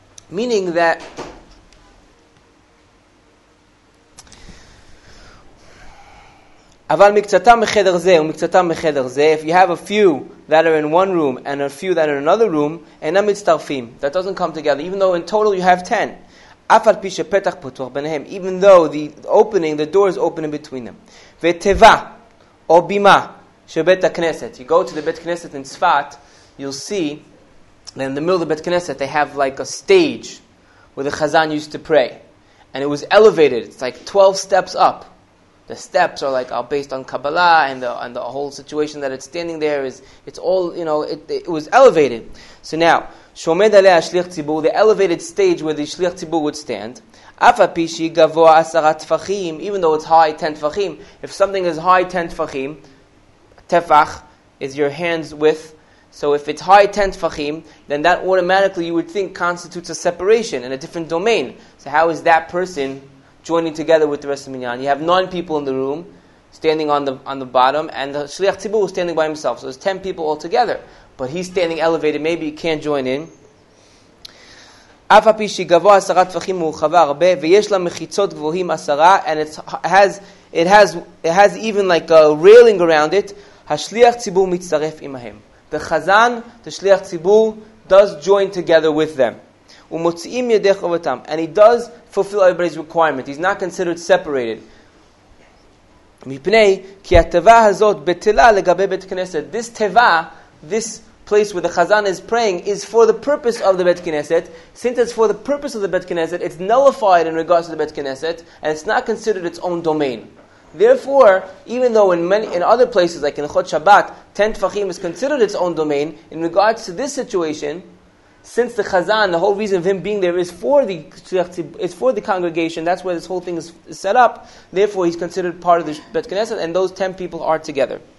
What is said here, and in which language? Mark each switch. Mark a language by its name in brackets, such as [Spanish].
[English] Meaning that [Hebrew] אבל מקצתם בחדר זה [English] ומקצתם בחדר זה, if you have a few that are in one room and a few that are in another room, [Hebrew] אינם מצטרפים. [English] That doesn't come together, even though in total you have 10. [Hebrew] אף על פי שפתח פתוח ביניהם, [English] even though the opening, the door is open in between them. [Hebrew] ותיבה או בימה של בית הכנסת. [English] You go to the בית כנסת in Tzfat, you'll see that in the middle of the בית כנסת they have like a stage where the chazan used to pray. And it was elevated, it's like 12 steps up. The steps are like are based on Kabbalah, and the whole situation that it's standing there is, it's all, you know, it was elevated. So now, [Hebrew] Shomed Aleha Shliach Tzibur, [English] the elevated stage where the Shliach Tzibur would stand, [Hebrew] Af Al Pi Shigavoa Asara Tefachim, [English] even though it's high 10 Tefachim, if something is high 10 Tefachim, Tefach is your hand's width, so if it's high 10 Tefachim, then that automatically you would think constitutes a separation in a different domain. So how is that person joining together with the rest of Minyan? You have 9 people in the room, standing on the bottom, and the Shliach Tzibur is standing by himself. So there's 10 people all together. But he's standing elevated, maybe he can't join in. [Hebrew] אף על פי שגבוה עשרה טפחים ורחבה הרבה, ויש לה מחיצות גבוהים עשרה, [English] and it has even like a railing around it, [Hebrew] השליח ציבור מצטרף עמהם. [English] The Chazan, the Shliach Tzibur, does join together with them. [Hebrew] ומוציאים ידי חובתם. [English] And he does fulfill everybody's requirement. He's not considered separated. [Hebrew] מפני כי התיבה הזאת בטלה לגבי בית כנסת. [English] This תיבה, this place where the Chazan is praying, is for the purpose of the בית כנסת. Since it's for the purpose of the בית כנסת, it's nullified in regards to the בית כנסת, and it's not considered its own domain. Therefore, even though in other places, like in the Chod Shabbat, 10 Tfachim is considered its own domain, in regards to this situation, since the Chazan, the whole reason of him being there is for the congregation, that's where this whole thing is set up, therefore he's considered part of the Bet Knesset, and those 10 people are together.